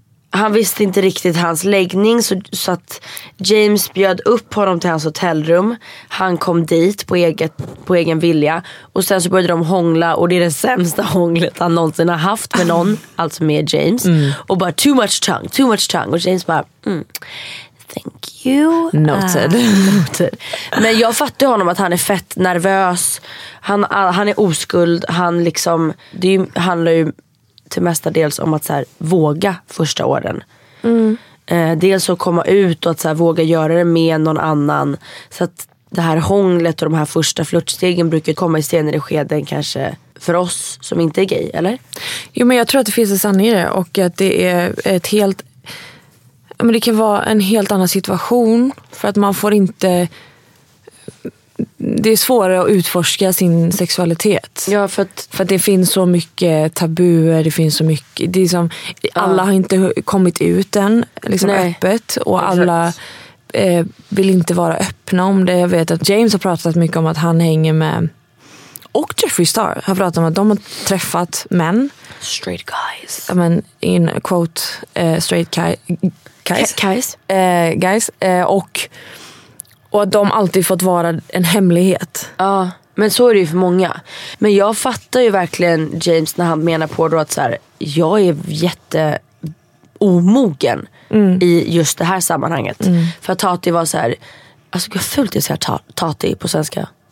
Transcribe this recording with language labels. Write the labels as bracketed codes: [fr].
[sv] han visste inte riktigt hans läggning. Så att James bjöd upp honom till hans hotellrum. Han kom dit på eget, på egen vilja. Och sen så började de hångla. Och det är det sämsta hånglet han någonsin har haft med någon. Alltså med James. Mm. Och bara [en] too much tongue, too much tongue. [sv] Och James bara [en] thank you. Noted. Noted. [sv] Men jag fattar honom att han är fett nervös. Han är oskuld. Han liksom, det är, handlar ju till mesta dels om att så här, våga första åren. Dels att komma ut och att så här, våga göra det med någon annan. Så att det här hånglet och de här första flörtstegen brukar komma i senare skeden kanske för oss som inte är gay, eller? Jo, men jag tror att det finns en sanning i det. Och att det är ett helt... Men det kan vara en helt annan situation. För att man får inte... Det är svårare att utforska sin sexualitet. Ja, för att... För att det finns så mycket tabuer, det finns så mycket... Det är som, alla har inte kommit ut än, liksom. Nej. Öppet. Och alla vill inte vara öppna om det. Jag vet att James har pratat mycket om att han hänger med... Och Jeffree Star har pratat om att de har träffat män. [en] Straight guys. I mean, in quote, straight guys. Guys. [sv] Guys. Och... Och att de alltid fått vara en hemlighet. Ja, men så är det ju för många. Men jag fattar ju verkligen James när han menar på då att så här, jag är jätte omogen i just det här sammanhanget. Mm. För att Tati var så här, alltså jag fullt i så här Tati på svenska.